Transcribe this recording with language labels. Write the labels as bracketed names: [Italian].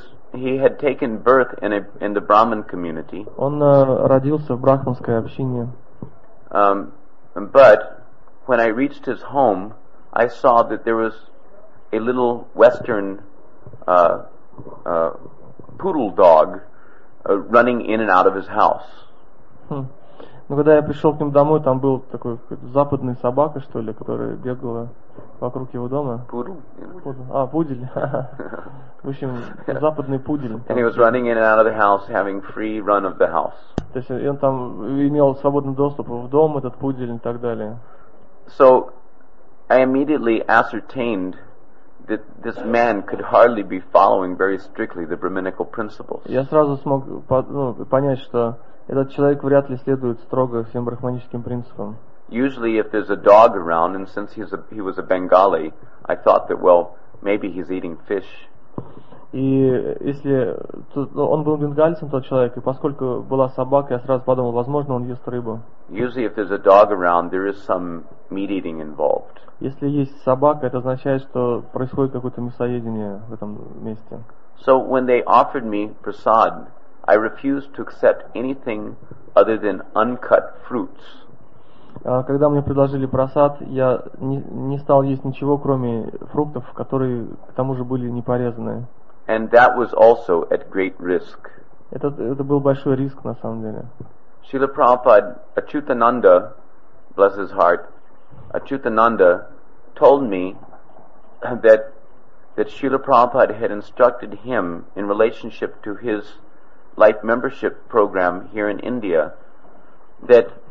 [English] He had taken birth in the Brahmin community. [Russian] Он родился в брахманской общине. [English] But when I reached his home, I saw that there was a little Western poodle dog running in and out of his house. [Russian] Но когда я пришел к нему домой, там был такой западный собака, что ли, которая бегала вокруг его дома. Пудель. В общем, западный пудель. [English] And he was running in and out of the house, having free run of the house. [Russian] То есть он там имел свободный доступ в дом, этот пудель и так далее. [English] So I immediately ascertained that this man could hardly be following very strictly the brahminical principles. [Russian] Я сразу смог понять, что этот человек вряд ли следует строго всем брахманическим принципам. [English] Usually, if there's a dog around, and since he was a Bengali, I thought that, well, maybe he's eating fish. [Russian] И если он был бенгальцем, тот человек, и поскольку была собака, я сразу подумал, возможно, он ест рыбу. [English] Usually, if there's a dog around, there is some meat eating involved. [Russian] Если есть собака, это означает, что происходит какое-то мясоедение в этом месте. [English] So when they offered me prasad, I refused to accept anything other than uncut fruits. [Russian] Когда мне предложили просад, я не стал есть ничего, кроме фруктов, которые к тому же были не порезаны. [English] And that was also at great risk. [Russian] Это был большой риск на самом деле. [English] Srila Prabhupada Achyutananda, bless his heart, Achyutananda told me that Srila Prabhupada had instructed him in relationship to his life membership program here in India that